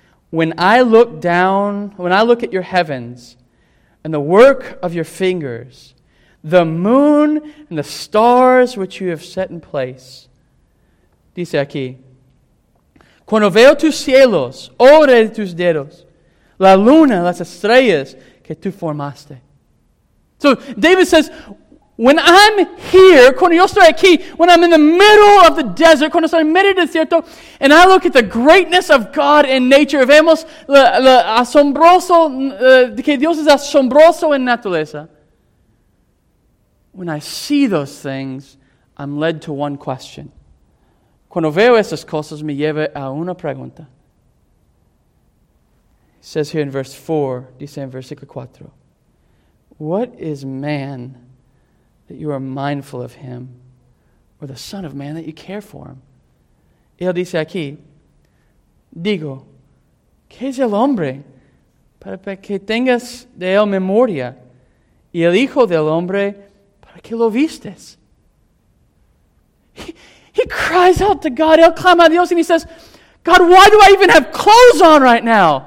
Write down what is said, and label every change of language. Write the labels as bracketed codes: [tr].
[en] When I look at your heavens and the work of your fingers, the moon and the stars which you have set in place. [es] Dice aquí. Cuando veo tus cielos, obra de tus dedos, la luna, las estrellas que tú formaste. [en] So David says, when I'm here, [es] cuando yo estoy aquí, [en] when I'm in the middle of the desert, [es] cuando estoy en medio del desierto, [en] and I look at the greatness of God in nature, [es] vemos lo asombroso, que Dios es asombroso en naturaleza. [en] When I see those things, I'm led to one question. [es] Cuando veo esas cosas, me lleva a una pregunta. [en] It says here in verse 4, [es] dice en versículo 4, [en] what is man that you are mindful of him, or the son of man that you care for him? [es] Él dice aquí, digo, ¿qué es el hombre para que tengas de él memoria? Y el hijo del hombre para que lo vistes. [en] He cries out to God, [es] él clama a Dios, [en] and he says, God, why do I even have clothes on right now?